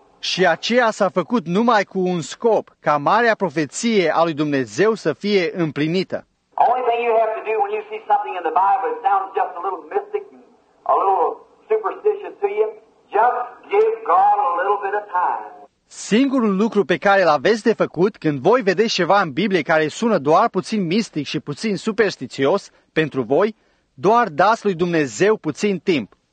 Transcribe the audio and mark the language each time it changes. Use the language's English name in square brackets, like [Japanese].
[Romanian] Și aceea s-a făcut numai cu un scop, ca marea profeție a lui Dumnezeu să fie împlinită. [English] Only thing you have to do when you see something in the Bible that sounds just a little mystic and a little superstitious to you, just give God a little bit of time. [Romanian] Singurul lucru pe care îl aveți de făcut când voi vedeți ceva în Biblie care sună doar puțin mistic și puțin superstițios pentru voi, doar dați lui Dumnezeu puțin timp.